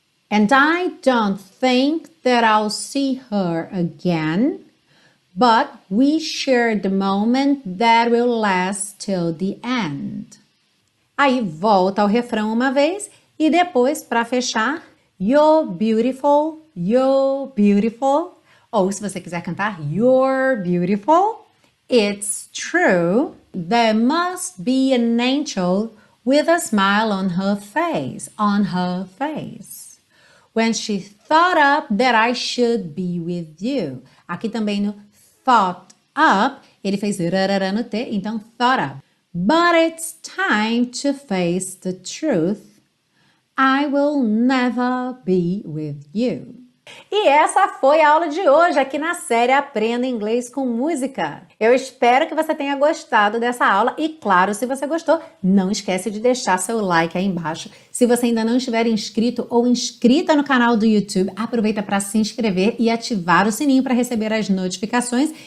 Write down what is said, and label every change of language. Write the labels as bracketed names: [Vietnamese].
[English] And I don't think that I'll see her again, but we shared the moment that will last till the end. [Portuguese] Aí volta ao refrão uma vez e depois para fechar, [English] you're beautiful, you're beautiful. [Portuguese] Ou se você quiser cantar, [English] you're beautiful. It's true, there must be an angel with a smile on her face, on her face. When she thought up that I should be with you. [Portuguese] Aqui também no thought up, ele fez rarara no T, então thought up. [English] But it's time to face the truth, I will never be with you. [Portuguese] E essa foi a aula de hoje aqui na série Aprenda Inglês com Música. Eu espero que você tenha gostado dessa aula e, claro, se você gostou, não esquece de deixar seu like aí embaixo. Se você ainda não estiver inscrito ou inscrita no canal do YouTube, aproveita para se inscrever e ativar o sininho para receber as notificações.